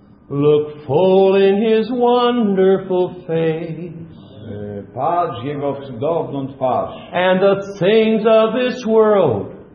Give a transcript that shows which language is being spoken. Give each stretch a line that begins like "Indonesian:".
English: Look full in His wonderful face.
Polish: Patrz Jego w cudowną twarz.
English: And the things of this world.